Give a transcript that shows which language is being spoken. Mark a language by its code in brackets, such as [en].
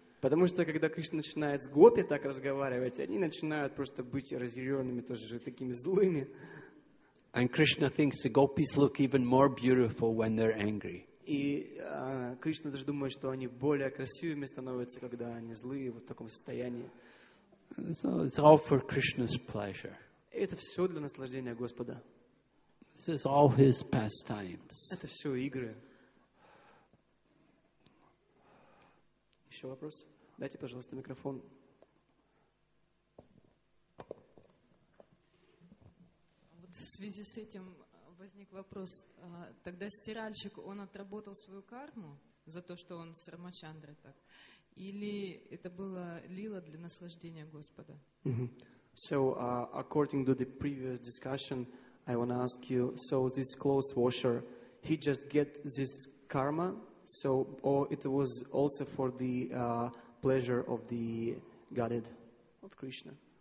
[ru] Потому что когда Кришна начинает с гопи так разговаривать, они начинают просто быть разъяренными тоже такими злыми. [en] And Krishna thinks the gopis look even more beautiful when they're angry. [ru] И Кришна даже думает, что они более красивыми становятся, когда они злые вот в таком состоянии. [en] So it's all for Krishna's pleasure. [ru] Это все для наслаждения Господа. [en] This is all his pastimes. [ru] Это все игры. Еще вопрос? Дайте, пожалуйста, микрофон. Вот в связи с этим возник вопрос. Тогда стиральщик, он отработал свою карму за то, что он с Рамачандрой так? Или это было лила для наслаждения Господа? Mm-hmm. [en] So, according to the previous discussion, I want to ask you, so this clothes washer, he just get this karma? So, or it was also for the pleasure of the Godhead, of Krishna?